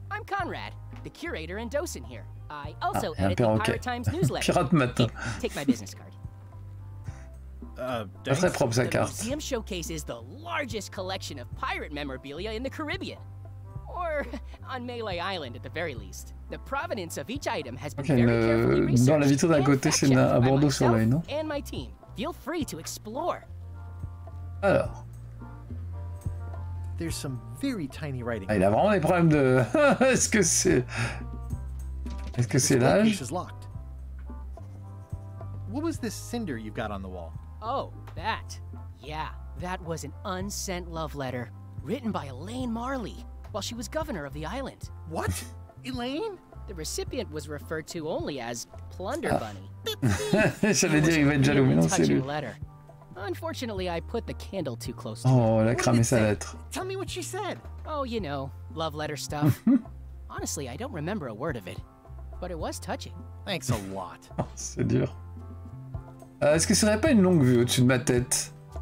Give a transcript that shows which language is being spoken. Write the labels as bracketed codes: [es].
[en] I'm Conrad, the curator and docent here. I also edit the Pirate Times newsletter. [fr] Pirate matin. [en] Take my business card. [fr] Très propre sa carte. [en] The museum showcases the largest collection of pirate memorabilia in the Caribbean, or on Melee Island at the very least. The provenance of each item has been very carefully researched. [fr] Dans la vitre d'à côté, c'est un bandeau sur l'œil, non? [en] And my team, feel free to explore. [fr] Alors. [en] There's some very tiny writing. [fr] Ah, il a vraiment des problèmes de. Est-ce que c'est. Est-ce que c'est l'âge? [en] What was this cinder you've got on the wall? Oh, that. Yeah, that was an unsent love letter written by Elaine Marley while she was governor of the island. What? Elaine? The recipient was referred to only as Plunder Bunny. [fr] J'allais dire il va être jaloux, mais non, c'est lui. [en] Letter. Unfortunately, I put the candle too close. [fr] Oh, elle a cramé sa lettre. [en] Tell me what she said. Oh, you know, love letter stuff. Honestly, I don't remember a word of it. But it was touching. Thanks a lot. [fr] C'est dur. Est-ce que ce serait pas une longue vue au-dessus de ma tête?